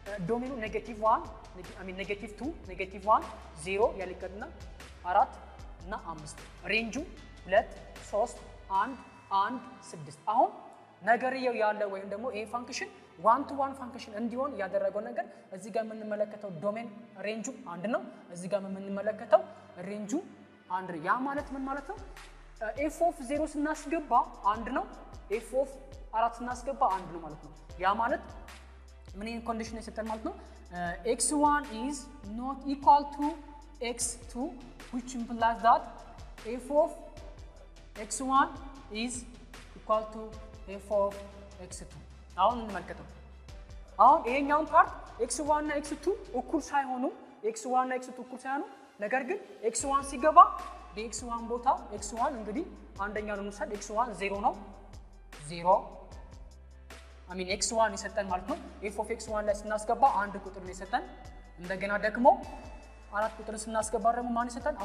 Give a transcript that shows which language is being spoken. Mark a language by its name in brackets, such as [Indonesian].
[Amharic] ዶሚኑ ኔጌቲቭ 1 ኔጌቲቭ 2 ኔጌቲቭ 1 0 ያለቀና 4 እና 5 ሬንጁ 2 3 1 1 6 አሁን ነገርየው ያለ ወይ ደግሞ ኤ ፋንክሽን 1 to 1 ፋንክሽን እንዲሆን ያደረገው ነገር እዚህ ጋር የምንመለከተው ዶሜን ሬንጁ 1 ነው እዚህ ጋር የምንመለከተው ሬንጁ 1 ነው። ያ ማለት ምን ማለት ነው? f of 0 ስናስገባ 1 ነው f of 4 ስናስገባ 1 ነው ማለት ነው። ያ ማለት ምን አይነት ኮንዲሽን እየሰጠን ማለት ነው? [English] x1 is not equal to x2 which implies that f of x1 is equal to f of x2. [Amharic] አሁን እንመልከተው። አሁን ይሄኛው ፓርት x1 እና x2 እኩል ሳይሆኑ x1 እና x2 እኩል ሳይሆኑ ነገር ግን x1 ሲገባ x1 ቦታ x1 እንግዲህ አንደኛው ነው ሰድ x1 0 ነው 0 x1 ይሰጠን ማለት ነው። f of x1 ላይ ስናስገባ አንድ ቁጥር ነው ይሰጠን። እንደገና ደግሞ አራት ቁጥር ስናስገባ ደግሞ ማን ይሰጠን?